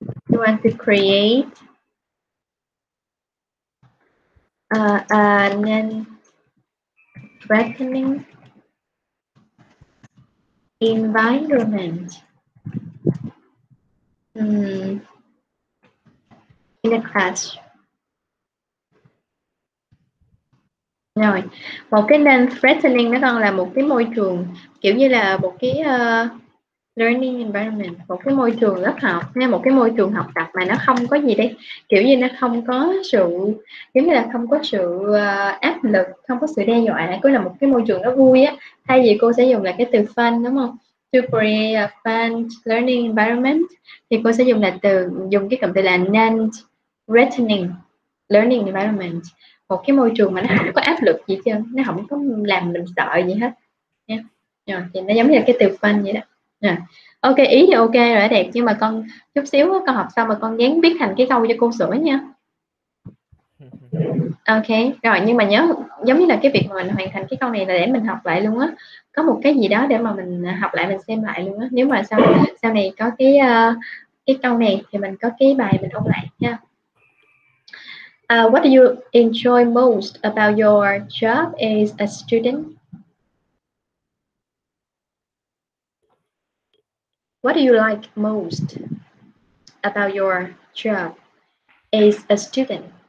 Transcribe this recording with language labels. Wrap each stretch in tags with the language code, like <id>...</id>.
<en>You want to create a non-threatening environment in the class.</en> <vi>Rồi, một cái non-threatening nó còn là một cái môi trường kiểu như là một cái learning environment, một cái môi trường lớp học, một cái môi trường học tập mà nó không có gì đấy, kiểu như nó không có sự, kiểu như là không có sự áp lực, không có sự đe dọa, cứ là một cái môi trường nó vui á. Thay vì cô sẽ dùng là cái từ fun đúng không?</vi> <en>To create a fun learning environment,</en> <vi>thì cô sẽ dùng là từ, dùng cái cụm từ là non-threatening learning environment. Một cái môi trường mà nó không có áp lực gì chứ, nó không có làm mình sợ gì hết nha. Rồi, thì nó giống như là cái từ fun vậy đó. Rồi. Ok, ý thì ok rồi đẹp, nhưng mà con chút xíu con học xong mà con dán viết thành cái câu cho cô sửa nha. Ok, rồi nhưng mà nhớ giống như là cái việc mà mình hoàn thành cái câu này là để mình học lại luôn á. Có một cái gì đó để mà mình học lại, mình xem lại luôn á. Nếu mà sau này có cái câu này thì mình có cái bài mình ôn lại nha.</vi> <en>What do you enjoy most about your job as a student? What do you like most about your job as a student?</en>